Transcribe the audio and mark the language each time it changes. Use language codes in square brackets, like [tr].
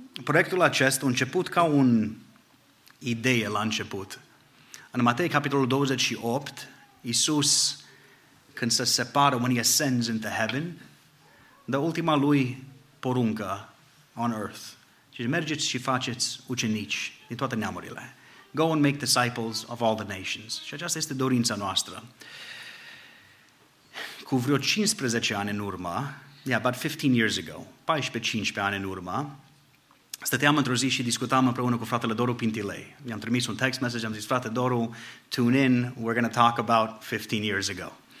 [ro] Proiectul acesta a început ca un idee la început. În Matei, capitolul 28, Iisus, când se separă, [en] when he ascends into heaven, [ro] dă ultima lui poruncă [en] on earth. [ro] Și mergeți și faceți ucenici din toate neamurile. [en] Go and make disciples of all the nations. [ro] Și aceasta este dorința noastră. Cu vreo 15 ani în urmă, [en] about 15 years ago, [ro] 14-15 ani în urmă, stăteam într-o zi și discutam împreună cu fratele Doru Pintilei. I-am trimis un [en] text message, [ro] am zis, frate Doru, [en] tune in, we're going to talk about 15 years ago.